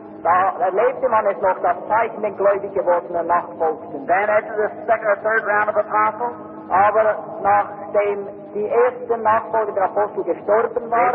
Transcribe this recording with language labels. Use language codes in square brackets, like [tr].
[de] Da erlebte man es noch, dass Zeichen den gläubig gewordenen nachfolgten. [en] Then after the second or third round of apostles, [de] aber nachdem die ersten Nachfolger der Apostel gestorben waren,